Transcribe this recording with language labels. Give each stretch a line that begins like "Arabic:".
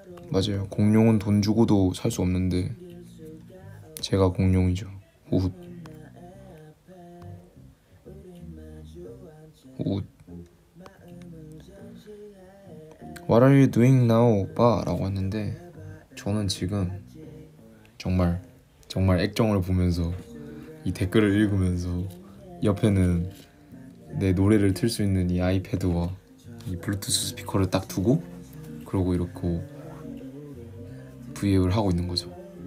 Korean: 맞아요. 공룡은 돈 주고도 살수 없는데 제가 공룡이죠.
English: 웃웃 What are you doing now, 오빠?
Korean: 라고 했는데 저는 지금 정말 정말 액정을 보면서 이 댓글을 읽으면서 옆에는 내 노래를 틀수 있는 이 아이패드와 이 블루투스 스피커를 딱 두고 그러고 이렇게 브이앱을 하고 있는 거죠.